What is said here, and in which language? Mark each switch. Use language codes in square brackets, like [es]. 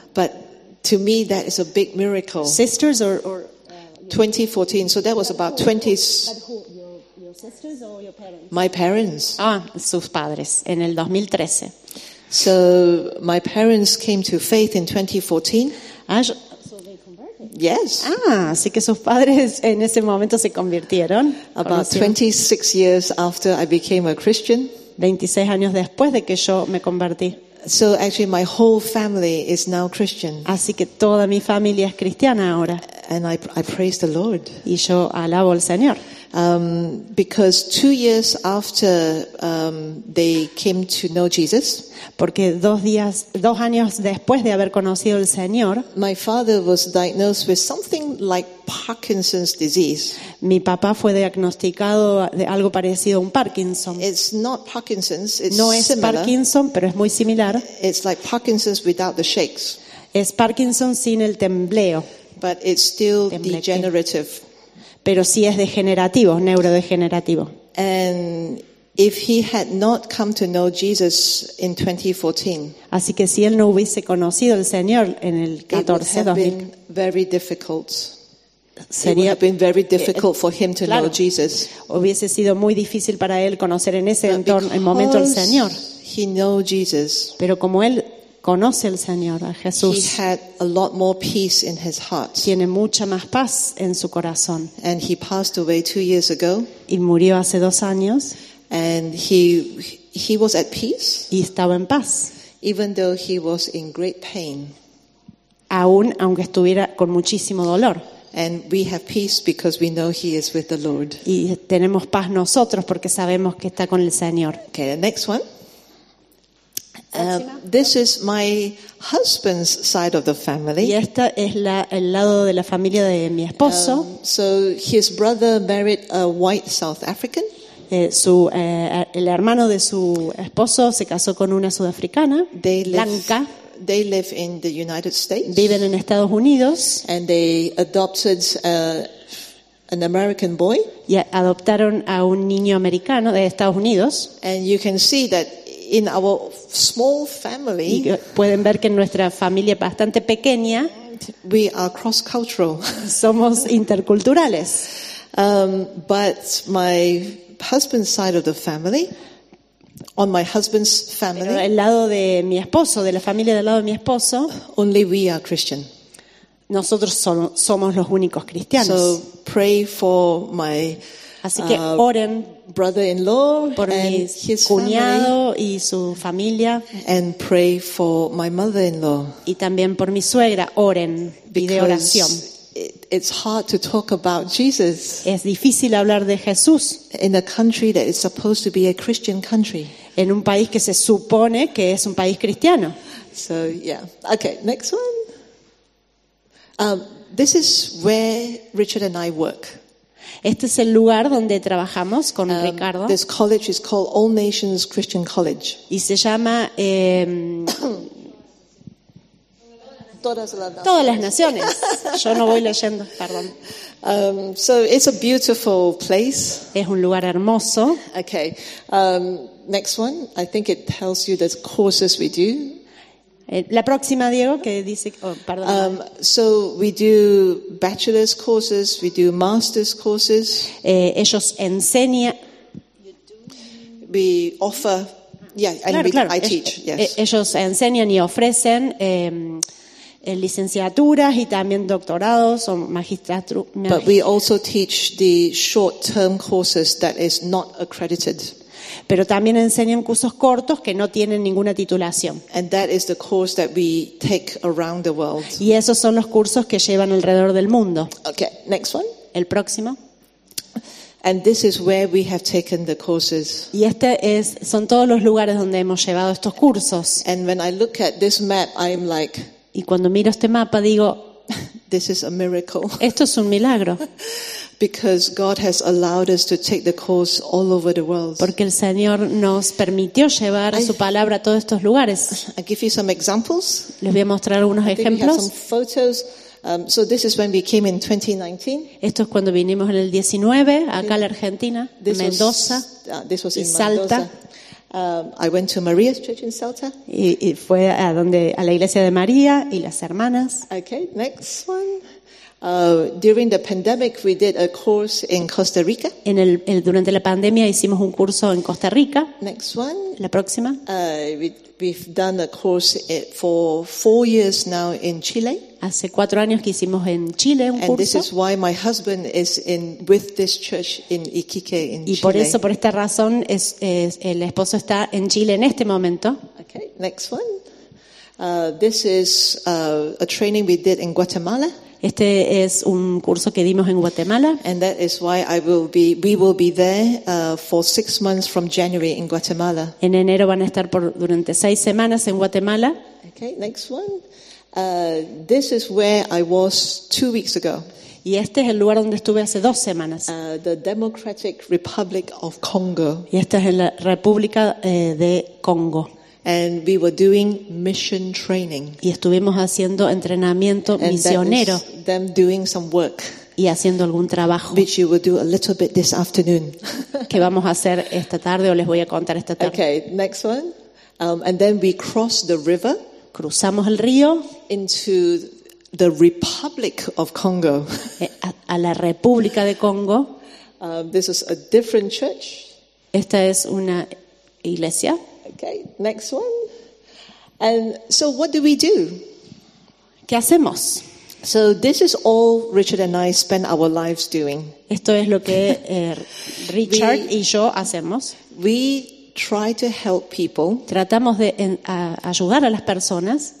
[en] But to me that is a big miracle. Sisters or 2014, so that was about 20. Your sisters or your parents? My parents. [es] Ah, sus padres, en el 2013. [en] So my parents came to faith in 2014. Ah, so they converted? Yes. [es] Ah, así que sus padres en ese momento se convirtieron. [en] About 26 years after I became a Christian. [es] 26 años después de que yo me convertí. [en] So actually my whole family is now Christian. [es] Así que toda mi familia es cristiana ahora. [en] And I praise the Lord. [es] Y yo alabo al Señor. [en] Because 2 years after they came to know Jesus, [es] porque dos años después de haber conocido al Señor, [en] my father was diagnosed with something like Parkinson's disease. [es] Mi papá fue diagnosticado de algo parecido a un Parkinson. [en] It's not Parkinson's. It's [es] no es Parkinson, pero es muy similar. [en] It's like Parkinson's without the shakes. [es] Es Parkinson sin el tembleo. [en] But it's still degenerative. [es] Pero sí es degenerativo, neurodegenerativo. [en] And if he had not come to know Jesus in 2014, [es] así que si él no hubiese conocido al Señor en el 14, [en] it would have been very difficult. [es] Sería, [en] it would have been very difficult for him to, [es] claro, [en] know Jesus. [es] Hubiese sido muy difícil para él conocer en ese [en] but [es] entorno, en momento al Señor. [en] He knew Jesus. [es] Pero como él conoce al Señor, a Jesús. [en] He had a lot more peace in his heart. [es] Tiene mucha más paz en su corazón. [en] And he passed away 2 years ago. [es] Y murió hace 2 años. [en] And he was at peace. [es] Y estaba en paz. [en] Even though he was in great pain. [es] Aún aunque estuviera con muchísimo dolor. [en] And we have peace because we know he is with the Lord. [es] Y tenemos paz nosotros porque sabemos que está con el Señor. [en] Okay, the next one. This is my husband's side of the family. [es] Y esta es el lado de la familia de mi esposo. [en] So his brother married a white South African. [es] El hermano de su esposo se casó con una sudafricana, blanca. [en] They live in the United States. [es] Viven en Estados Unidos. [en] And they adopted an American boy. [es] Y adoptaron a un niño americano de Estados Unidos. [en] And you can see that in our small family, [es] y pueden ver que en nuestra familia bastante pequeña, [en] we are cross-cultural. [es] Somos interculturales. [en] But my husband's side of the family, on my husband's family, [es] pero el lado de mi esposo, de la familia del lado de mi esposo, [en] only we are Christian. [es] Nosotros somos los únicos cristianos. [en] So pray for my, [es] así que oren [en] brother-in-law [es] por [en] and [es] mi cuñado y su familia, [en] and pray for my mother-in-law. [es] Y también por mi suegra, oren, pide oración. [en] It's hard to talk about Jesus. [es] Es difícil hablar de Jesús. [en] In a country that is supposed to be a Christian country. [es] En un país que se supone que es un país cristiano. [en] So yeah. Okay, next one. This is where Richard and I work. [es] Este es el lugar donde trabajamos con Ricardo. [en] This college is called All Nations Christian College. [es] Y se llama Todas las naciones. Yo no voy leyendo, perdón. [en] So it's a beautiful place. [es] Es un lugar hermoso. [en] Okay. Next one. I think it tells you the courses we do. [es] La próxima, Diego, que dice, [en] So we do bachelor's courses, we do master's courses. [es] Ellos enseñan. [en] we offer, yeah, and [es] claro, claro. [en] I teach. Yes. [es] Ellos enseñan y ofrecen licenciaturas y también doctorados o magistraturas. [en] But we also teach the short-term courses that is not accredited. [es] Pero también enseñan cursos cortos que no tienen ninguna titulación. [en] And that is the course that we take around the world. [es] Y esos son los cursos que llevan alrededor del mundo. [en] Okay, next one. [es] El próximo. [en] And this is where we have taken the courses. [es] Y este es son todos los lugares donde hemos llevado estos cursos. [en] And when I look at this map, I'm like, [es] y cuando miro este mapa digo, [en] this is a miracle. [es] Esto es un milagro. [en] Because God has allowed us to take the course all over the world. [es] Porque el Señor nos permitió llevar su palabra a todos estos lugares. [en] I'll give you some examples. [es] Les voy a mostrar algunos ejemplos. [en] I think we have some photos. So this is when we came in 2019. [es] Esto es cuando vinimos en el 19 acá a la Argentina, [en] this [es] Mendoza, [en] was [es] in Salta. [en] I went to Maria's church in Salta. [es] Y fue a donde a la iglesia de María y las hermanas. [en] Okay, next one. During the pandemic, we did a course in Costa Rica. [es] En el durante la pandemia hicimos un curso en Costa Rica. [en] Next one. [es] La próxima. [en] We've done a course for 4 years now in Chile. [es] Hace 4 años que hicimos en Chile un curso. [en] And this is why my husband is in with this church in Iquique in Chile. [es] Y por eso, por esta razón, es el esposo está en Chile en este momento. [en] Okay, next one. This is a training we did in Guatemala. [es] Este es un curso que dimos en Guatemala. [en] And that is why we will be there for 6 months from January in Guatemala. [es] En enero van a estar durante 6 semanas en Guatemala. [en] Okay, next one. This is where I was 2 weeks ago. [es] Y este es el lugar donde estuve hace 2 semanas. [en] The Democratic Republic of Congo. [es] Y esta es la República de Congo. [en] And we were doing mission training. [es] Y estuvimos haciendo entrenamiento misionero. [en] And that is them doing some work. [es] Y haciendo algún trabajo. [en] Which you will do a little bit this afternoon. [es] Que vamos a hacer esta tarde o les voy a contar esta tarde. [en] Okay, next one. And then we cross the river. [es] Cruzamos el río [en] into the Republic of Congo. [es] A la República de Congo. [en] This is a different church. [es] Esta es una iglesia. [en] Okay, next one. And so what do we do? [es] ¿Qué hacemos? [en] So this is all Richard and I spend our lives doing. [es] Esto es lo que Richard y yo hacemos. [en] We try to help people. [es] Tratamos de ayudar a las personas.